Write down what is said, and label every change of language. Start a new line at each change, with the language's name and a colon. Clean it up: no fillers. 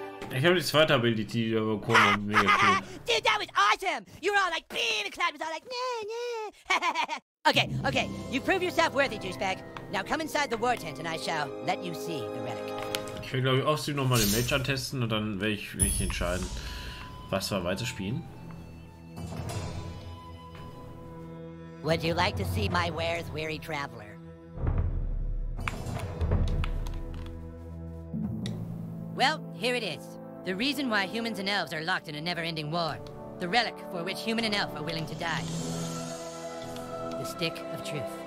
German: Ich habe die zweite Ability, die aber cool war, mega cool.
English: Dude, that was awesome! You were all like, beam, and Clyde was all like, nah, nah. Okay, okay, you prove yourself worthy, douchebag. Now come inside the war tent and I shall let you see the relic.
German: Ich will, glaube ich, auch sie nochmal den Mage antesten und dann werde ich entscheiden, was wir weiterspielen.
English: Would you like to see my wares, weary traveler? Well, here it is. The reason why humans and elves are locked in a never-ending war. The relic for which human and elf are willing to die. The stick of truth.